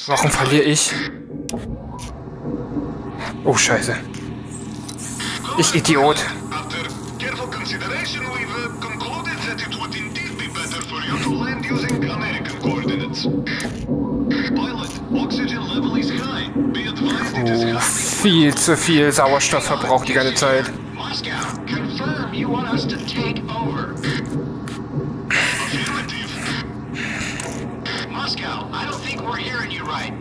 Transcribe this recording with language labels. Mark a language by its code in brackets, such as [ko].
[de] Warum verliere ich? Oh, scheiße. Ich Idiot. [en] After careful consideration, we've concluded that it would indeed be better for you to land using American coordinates. Pilot, oxygen level is high. Be advised, it is high. [de] Viel zu viel Sauerstoff verbraucht die ganze Zeit. [en] Moscow, confirm you want us to take over. Affirmative. Moscow, I don't think we're hearing you right.